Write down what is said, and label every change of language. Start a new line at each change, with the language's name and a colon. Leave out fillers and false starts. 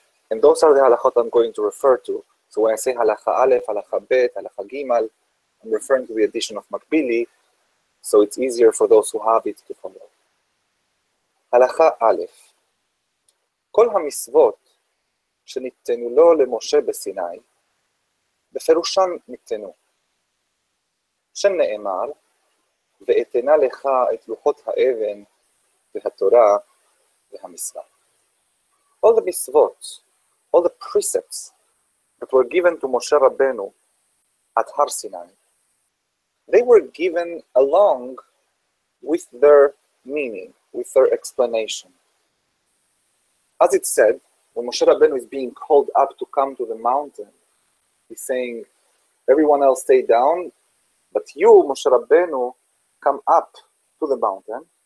English: And those are the halachot I'm going to refer to. So when I say halacha aleph, halacha bet, halacha gimal, I'm referring to the edition of Makbili, so it's easier for those who have it to follow.
Hebrew: Halacha aleph. Kol ha-misvot shenittenu lo le-Moshe b'Sinai, בפירושן ניתנו. שם נאמר, ואתנה לך את לוחות האבן והתורה והמצווה.
English: All the מצוות, all the precepts that were given to Moshe Rabbeinu at Har Sinai, they were given along with their meaning, with their explanation. As it said, when Moshe Rabbeinu is being called up to come to the mountain, he's saying, everyone else stay down, but you, Moshe Rabbeinu, come up to the mountain.